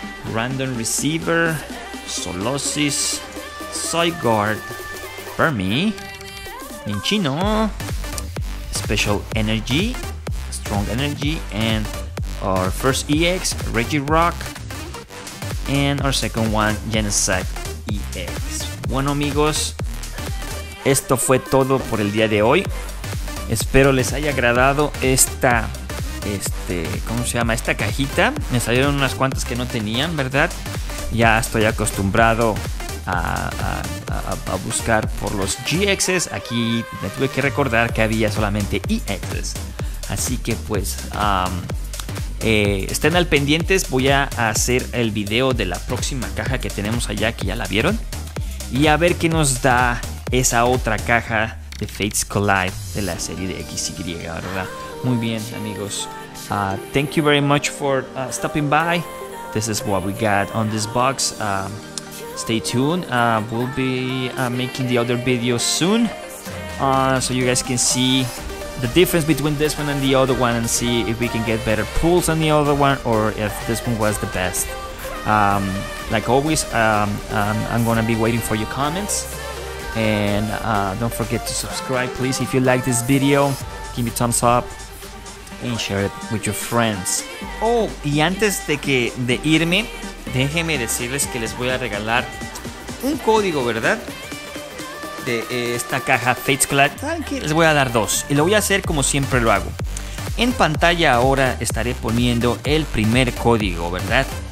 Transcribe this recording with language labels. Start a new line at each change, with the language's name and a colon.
English: Random Receiver, Solossis, Zygarde, Burmy, Minchino, Special Energy, Strong Energy, and our first EX, Regirock, and our second one, Genesect EX.
Spanish: Bueno, amigos, esto fue todo por el día de hoy. Espero les haya agradado esta. ¿Cómo se llama? Esta cajita. Me salieron unas cuantas que no tenían, ¿verdad? Ya estoy acostumbrado a buscar por los GXs. Aquí me tuve que recordar que había solamente EXs. Así que pues, estén al pendientes. Voy a hacer el video de la próxima caja que tenemos allá, que ya la vieron. Y a ver qué nos da esa otra caja de Fates Collide de la serie de XY, ¿verdad? Muy bien, amigos.
English: Thank you very much for stopping by. This is what we got on this box. Stay tuned. We'll be making the other video soon, so you guys can see the difference between this one and the other one, and see if we can get better pulls on the other one, or if this one was the best. Like always, I'm gonna be waiting for your comments. And don't forget to subscribe, please. If you like this video, give me a thumbs up and share it with your friends.
Spanish: Oh, y antes de irme, déjenme decirles que les voy a regalar un código, ¿verdad? De esta caja Fates Clutch. ¿Saben qué? Les voy a dar dos. Y lo voy a hacer como siempre lo hago. En pantalla ahora estaré poniendo el primer código, ¿verdad?